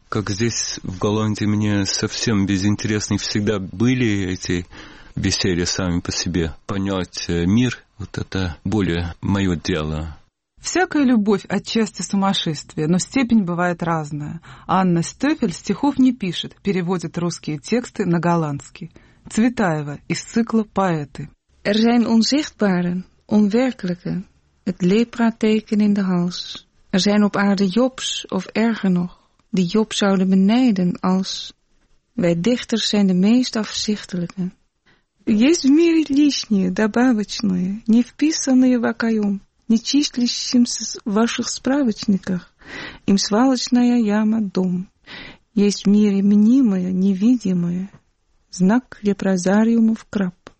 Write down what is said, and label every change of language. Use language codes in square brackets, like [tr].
[ru] Как здесь, в Голландии, мне совсем безинтересны всегда были эти беседы сами по себе. Понять мир — вот это более мое дело. Всякая любовь отчасти сумасшествие, но степень бывает разная. Анна Стефель стихов не пишет, переводит русские тексты на голландский. Цветаева из цикла «Поэты». [nl] Er zijn onzichtbare, onwerkelijke, het lepra-teken in de hals. Er zijn op aarde jobs, of erger nog, die job zouden benijden als... Wij dichters zijn de meest afzichtelijke. [ru] Есть в мире лишние, добавочные, не вписанные в окоем, не числящимся в ваших справочниках, им свалочная яма дом. Есть в мире мнимое, невидимое, знак лепрозариумов краб.